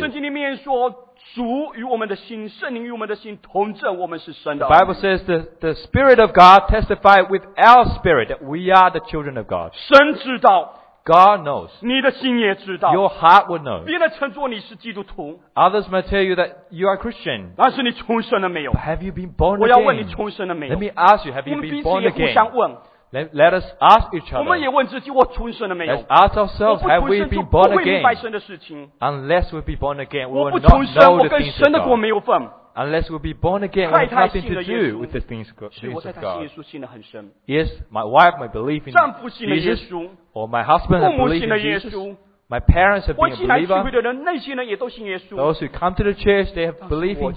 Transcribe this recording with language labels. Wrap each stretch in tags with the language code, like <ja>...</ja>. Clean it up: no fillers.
<zh>圣经里面说主与我们的心，圣灵与我们的心同证，我们是神的。</zh> <en>The Bible says the Spirit of God testified with our spirit that we are the children of God.</en> <zh>神知道。</zh> <en>God knows.</en> <zh>你的心也知道。</zh> <en>Your heart will know.</en> <zh>别人称作你是基督徒。</zh> <en>Others may tell you that you are Christian.</en> <zh>但是你重生了没有？</zh> <en>But have you been born again?</en> <zh>我要问你重生了没有？</zh> <en>Let me ask you, have you been born again?</en> <zh>我们彼此也互相问。</zh> <en>Let us ask each other.</en> <zh>我们也问自己，我重生了没有？</zh> <en>Let's ask ourselves, have we been born again?</en> <zh>我不重生就不会明白神的事情。</zh> <en>Unless we be born again, we will not know the things of God.</en> <zh>我不重生，我跟神的国没有份。</zh> <en>Unless we be born again, we have nothing to do with the things of God.</en> <zh>所以我在他信耶稣信得很深。</zh> <en>Yes, my wife, my belief in</en> <zh>Jesus. 丈夫信了耶稣。</zh> <en>Or my husband has believed in Jesus. My parents have been a believer.</en> <zh>我进来聚会的人，那些人也都信耶稣。</zh> <en>Those who come to the church, they have believed in Jesus.</en>